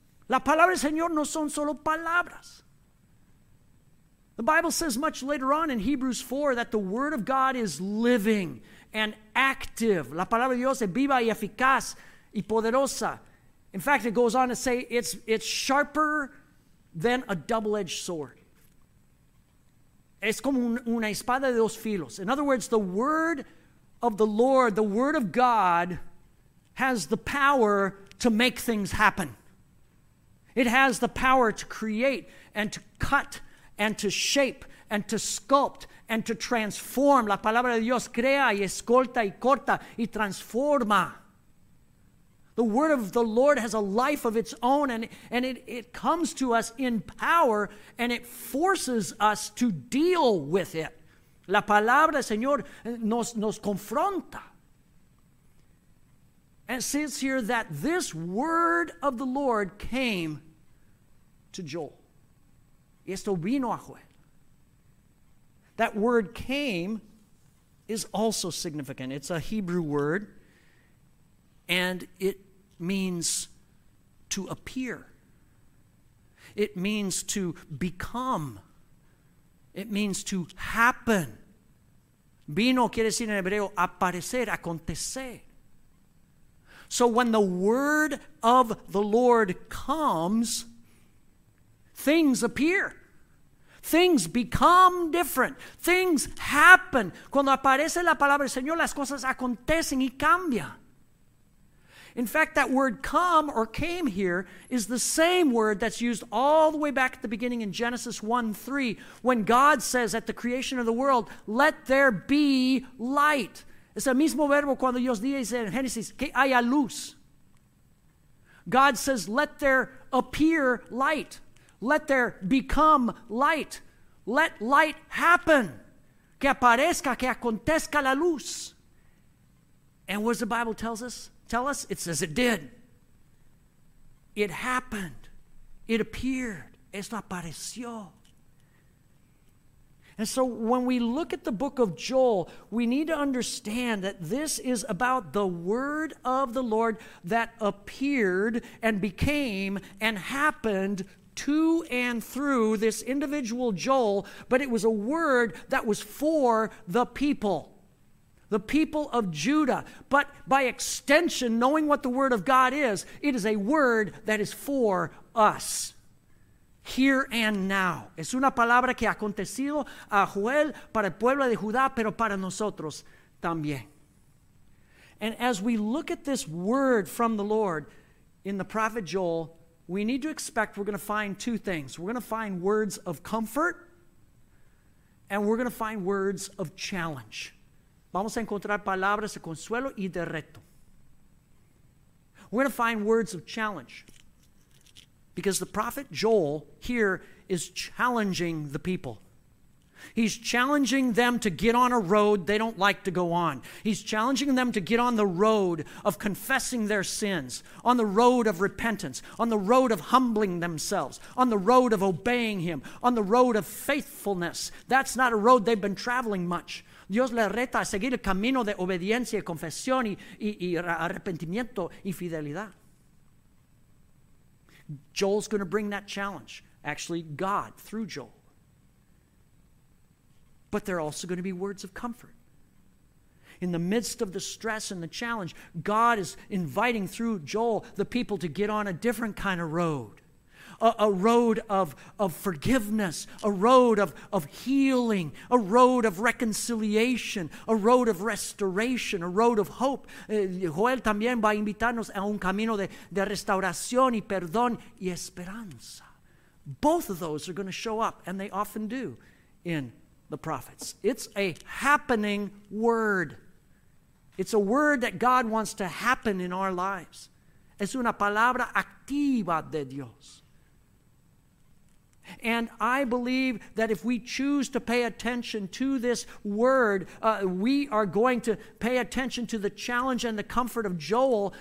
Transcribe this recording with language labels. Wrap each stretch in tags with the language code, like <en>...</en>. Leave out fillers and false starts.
<es>La palabra del Señor no son solo palabras.</es> <en>The Bible says much later on in Hebrews 4 that the word of God is living and active.</en> <es>La palabra de Dios es viva y eficaz y poderosa.</es> <en>In fact, it goes on to say it's sharper than a double-edged sword.</en> <es>Es como una espada de dos filos.</es> <en>In other words, the word of the Lord, the word of God, has the power to make things happen. It has the power to create and to cut and to shape and to sculpt and to transform.</en> <es>La palabra de Dios crea y esculta y corta y transforma.</es> <en>The word of the Lord has a life of its own, and it comes to us in power, and it forces us to deal with it.</en> <es>La palabra del Señor nos confronta.</es> <en>And it says here that this word of the Lord came to Joel.</en> <es>Y esto vino a Joel.</es> <en>That word came is also significant. It's a Hebrew word, and it means to appear. It means to become. It means to happen.</en> <es>Vino quiere decir en hebreo aparecer, acontecer.</es> <en>So when the word of the Lord comes, things appear. Things become different. Things happen.</en> <es>Cuando aparece la palabra del Señor, las cosas acontecen y cambian.</es> <en>In fact, that word come or came here is the same word that's used all the way back at the beginning in Genesis 1:3, when God says at the creation of the world, let there be light.</en> <es>Es el mismo verbo cuando Dios dice en Génesis, que haya luz.</es> <en>God says, let there appear light. Let there become light. Let light happen.</en> <es>Que aparezca, que acontezca la luz.</es> <en>And what does the Bible tell us? It says it did. It happened. It appeared.</en> <es>Esto apareció.</es> <en>And so when we look at the book of Joel, we need to understand that this is about the word of the Lord that appeared and became and happened to and through this individual Joel, but it was a word that was for the people of Judah. But by extension, knowing what the word of God is, it is a word that is for us. Here and now.</en> <es>Es una palabra que ha acontecido a Joel para el pueblo de Judá, pero para nosotros también.</es> <en>And as we look at this word from the Lord in the prophet Joel, we need to expect we're going to find two things. We're going to find words of comfort, and we're going to find words of challenge.</en> <es>Vamos a encontrar palabras de consuelo y de reto.</es> <en>We're going to find words of challenge. Because the prophet Joel here is challenging the people. He's challenging them to get on a road they don't like to go on. He's challenging them to get on the road of confessing their sins, on the road of repentance, on the road of humbling themselves, on the road of obeying him, on the road of faithfulness. That's not a road they've been traveling much.</en> <es>Dios le reta a seguir el camino de obediencia, confesión y arrepentimiento y fidelidad.</es> <en>Joel's going to bring that challenge. Actually, God, through Joel. But there are also going to be words of comfort. In the midst of the stress and the challenge, God is inviting through Joel the people to get on a different kind of road. A road of forgiveness. A road of healing. A road of reconciliation. A road of restoration. A road of hope.</en> <es>Joel también va a invitarnos a un camino de restauración y perdón y esperanza.</es> <en>Both of those are going to show up, and they often do in the prophets. It's a happening word. It's a word that God wants to happen in our lives.</en> <es>Es una palabra activa de Dios.</es> <en>And I believe that if we choose to pay attention to this word, we are going to pay attention to the challenge and the comfort of Joel.</en>